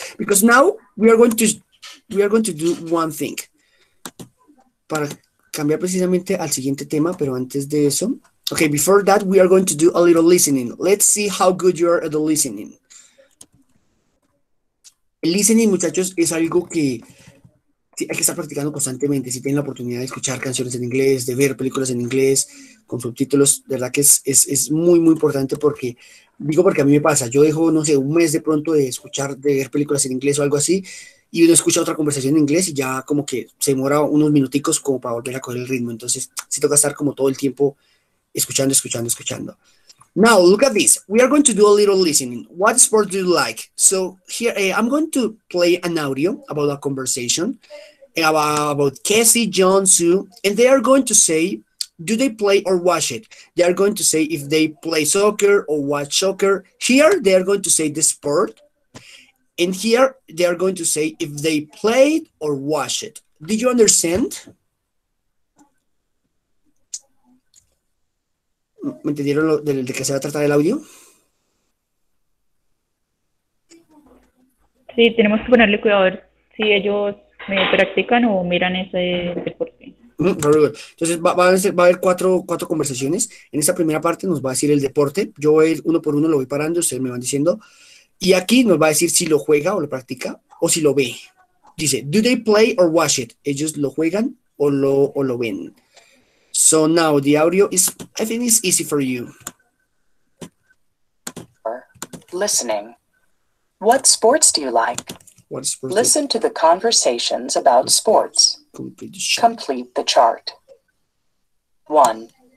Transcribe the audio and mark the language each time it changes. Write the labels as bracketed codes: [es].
[en] Because now we are going to do one thing. [es] Para cambiar precisamente al siguiente tema, pero antes de eso. [en] Ok, before that, we are going to do a little listening. Let's see how good you are at the listening. [es] Listening, muchachos, es algo que hay que estar practicando constantemente. Si tienen la oportunidad de escuchar canciones en inglés, de ver películas en inglés con subtítulos, de verdad que es muy, muy importante porque, digo porque a mí me pasa, yo dejo, no sé, un mes de pronto de escuchar, de ver películas en inglés o algo así, y uno escucha otra conversación en inglés y ya como que se demora unos minuticos como para volver a coger el ritmo. Entonces, sí toca estar como todo el tiempo escuchando, escuchando, escuchando. [en] Now, look at this. We are going to do a little listening. What sport do you like? So here, I'm going to play an audio about a conversation about Cassie, John, Sue, and they are going to say, do they play or watch it? They are going to say if they play soccer or watch soccer. Here, they are going to say the sport. And here, they are going to say if they played or watch it. Did you understand? [es] ¿Me entendieron de qué se va a tratar el audio? Sí, tenemos que ponerle cuidado a ver si ellos me practican o miran ese deporte. [en] Very good. [es] Entonces va a haber cuatro conversaciones. En esta primera parte nos va a decir el deporte. Yo voy a ir uno por uno, lo voy parando, ustedes me van diciendo. Y aquí nos va a decir si lo juega o lo practica o si lo ve. Dice, [en] do they play or watch it? [es] ¿Ellos lo juegan o lo ven? [en] So now the audio is, I think it's easy for you. Listening. What sports do you like? What sports? Listen to the conversations about sports. Complete the chart. One.